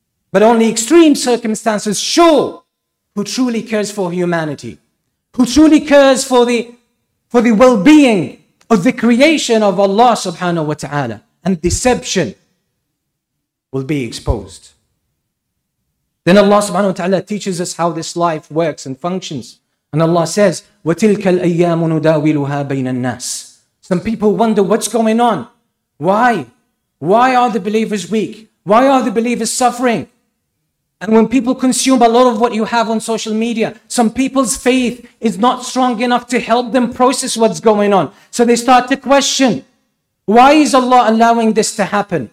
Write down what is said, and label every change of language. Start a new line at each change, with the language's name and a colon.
English: But only extreme circumstances show who truly cares for humanity, who truly cares for the well-being of the creation of Allah subhanahu wa ta'ala. And deception will be exposed. Then Allah subhanahu wa ta'ala teaches us how this life works and functions. And Allah says,
Arabic: وَتِلْكَ الْأَيَّامُ نُدَاوِلُهَا بَيْنَ النَّاسِ.
English: Some people wonder, what's going on? Why? Why are the believers weak? Why are the believers suffering? And when people consume a lot of what you have on social media, some people's faith is not strong enough to help them process what's going on. So they start to question, why is Allah allowing this to happen?